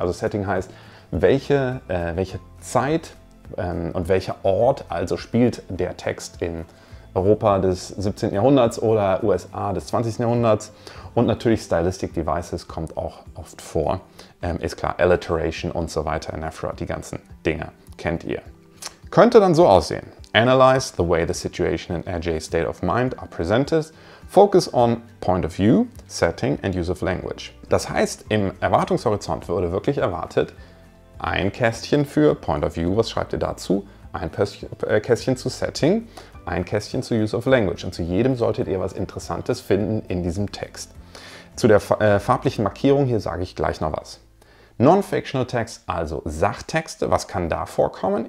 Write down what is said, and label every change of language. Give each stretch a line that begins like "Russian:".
German: Also Setting heißt, welche Zeit und welcher Ort, also spielt der Text in Europa des 17. Jahrhunderts oder USA des 20. Jahrhunderts. Und natürlich Stylistic Devices kommt auch oft vor. Ist klar, Alliteration und so weiter, Anaphora, die ganzen Dinge kennt ihr. Könnte dann so aussehen.
English: Analyze the way the situation and AJ's state of mind are presented. Focus on point of view, setting and use of language.
German: Das heißt, im Erwartungshorizont wurde wirklich erwartet, ein Kästchen für point of view, was schreibt ihr dazu? Ein Kästchen zu Setting, ein Kästchen zu Use of Language. Und zu jedem solltet ihr was Interessantes finden in diesem Text. Zu der farblichen Markierung hier sage ich gleich noch was. Non-Fictional Text, also Sachtexte, was kann da vorkommen?